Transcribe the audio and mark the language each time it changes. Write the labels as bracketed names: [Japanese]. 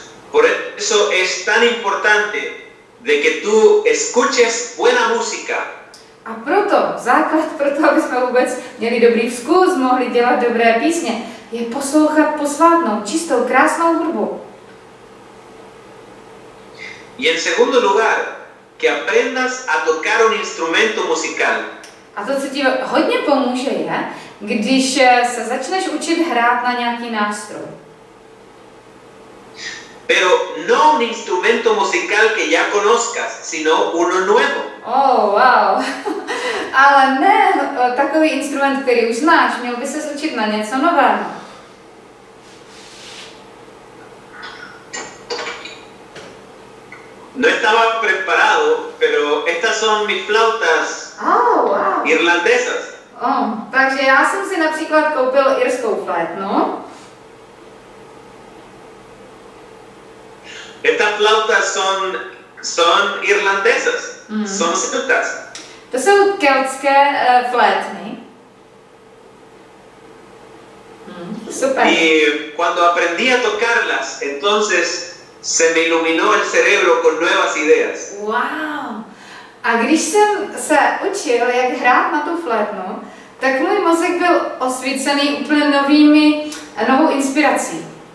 [Spanish] Por eso es tan importante de que tú escuches buena música. [Czech] A proto, základ pro to, aby jsme vůbec měli dobrý vzkus, mohli dělat dobré písně, je poslouchat posvátnou, čistou, krásnou hudbu. [Spanish] Y en segundo lugar, que aprendas a tocar un instrumento musical. [Czech] A to, co ti hodně pomůže, je, když se začneš učit hrát na nějaký nástroj. [Spanish] Pero no un instrumento musical que ya conozcas, sino uno nuevo. Oh, wow. [Czech] Ale ne takový instrument, který už znáš, měl by se učit na něco nového. [Spanish] No estaba preparado, pero estas son mis flautas irlandesas. [Czech] Oh, takže já jsem si například koupil irskou flétnu. [Spanish] Estas flautas son irlandesas, son celtas. [Czech] To jsou keltské flétny. Super. [Spanish] Y cuando aprendí a tocarlas, entonces se me iluminó el cerebro con nuevas ideas. Wow. [Czech] A když jsem se učil, jak hrát na tu flétnu, tak můj mozek byl osvícený úplně novou inspirací.